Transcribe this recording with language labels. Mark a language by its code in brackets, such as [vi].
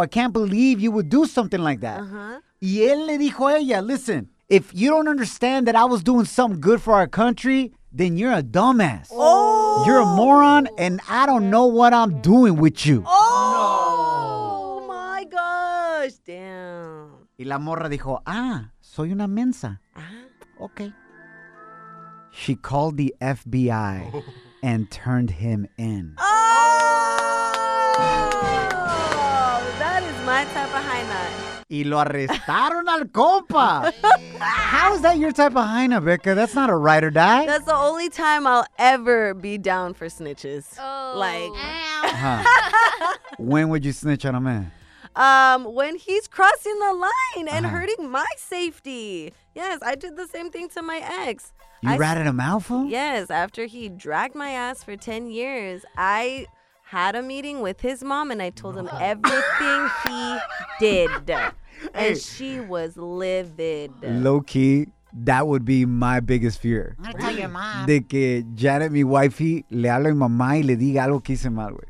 [en] I can't believe you would do something like that. Uh-huh. [es] Y él le dijo a ella, [en] listen, if you don't understand that I was doing something good for our country, then you're a dumbass. Oh. You're a moron, and I don't know what I'm doing with you. Oh, no. My gosh. Damn. [es] Y la morra dijo, ah, soy una mensa. Ah, [en] okay. She called the FBI and turned him in. Oh! That is my type of high nut. [es] Y lo arrestaron al compa. [en] How is that your type of hyena, Becca? That's not a ride or die. That's the only time I'll ever be down for snitches. Oh. Like. Huh. When would you snitch on a man? When he's crossing the line and hurting my safety. Yes, I did the same thing to my ex. You ratted him out, fool? Yes, after he dragged my ass for 10 years, I had a meeting with his mom, and I told him everything he did. And she was livid. Low-key, that would be my biggest fear. I'm going to tell your mom. [es] De que Janet, mi wifey, le hable a mi mamá y le diga algo que hice mal, güey.